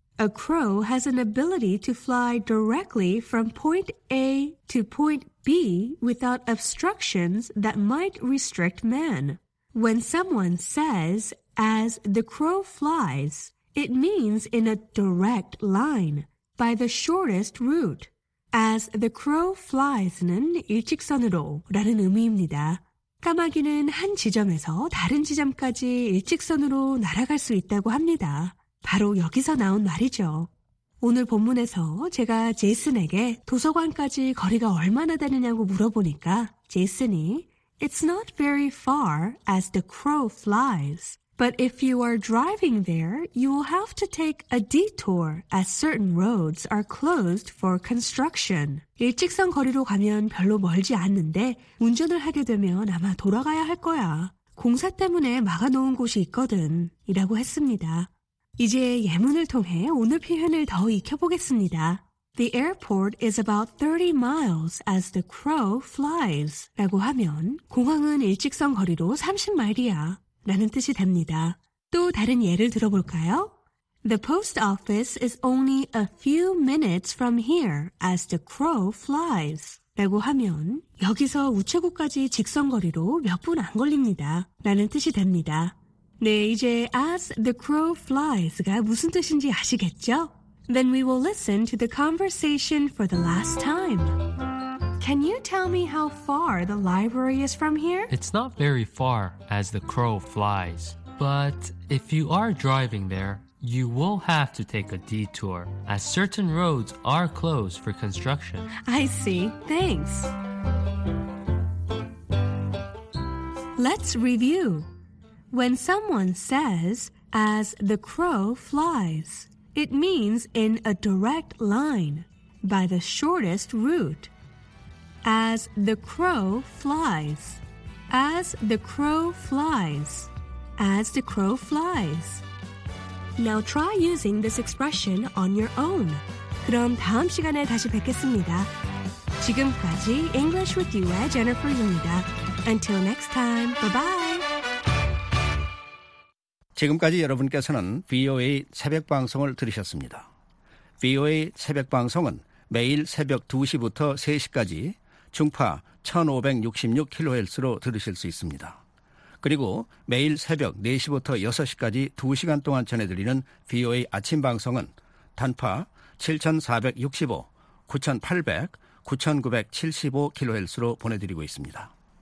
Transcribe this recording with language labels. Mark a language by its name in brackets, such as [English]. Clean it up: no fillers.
[English] A crow has an ability to fly directly from point A to point B without obstructions that might restrict man. When someone says, as the crow flies, it means in a direct line, by the shortest route. [Korean] As the crow flies는 일직선으로라는 의미입니다. 까마귀는 한 지점에서 다른 지점까지 일직선으로 날아갈 수 있다고 합니다. 바로 여기서 나온 말이죠. 오늘 본문에서 제가 제이슨에게 도서관까지 거리가 얼마나 되느냐고 물어보니까 제이슨이 [English] It's not very far as the crow flies, but if you are driving there, you will have to take a detour as certain roads are closed for construction. [Korean] 일직선 거리로 가면 별로 멀지 않는데 운전을 하게 되면 아마 돌아가야 할 거야. 공사 때문에 막아놓은 곳이 있거든, 이라고 했습니다. 이제 예문을 통해 오늘 표현을 더 익혀보겠습니다. [English] The airport is about 30 miles as the crow flies. [Korean] 라고 하면 공항은 일직선 거리로 30마일이야 라는 뜻이 됩니다. 또 다른 예를 들어볼까요? [English] The post office is only a few minutes from here as the crow flies. [Korean] 라고 하면 여기서 우체국까지 직선 거리로 몇 분 안 걸립니다 라는 뜻이 됩니다. 네, 이제 as the crow flies가 무슨 뜻인지 아시겠죠? [English] Then we will listen to the conversation for the last time. Can you tell me how far the library is from here? It's not very far, as the crow flies. But if you are driving there, you will have to take a detour, as certain roads are closed for construction. I see. Thanks. Let's review. When someone says, as the crow flies, it means in a direct line, by the shortest route. As the crow flies. As the crow flies. As the crow flies. Now try using this expression on your own. [Korean] 그럼 다음 시간에 다시 뵙겠습니다. 지금까지 English with you의 Jennifer입니다. [English] Until next time, bye-bye. [Korean] 지금까지 여러분께서는 VOA 새벽 방송을 들으셨습니다. VOA 새벽 방송은 매일 새벽 2시부터 3시까지 중파 1566kHz로 들으실 수 있습니다. 그리고 매일 새벽 4시부터 6시까지 2시간 동안 전해드리는 VOA 아침 방송은 단파 7465, 9800, 9975 kHz로 보내드리고 있습니다.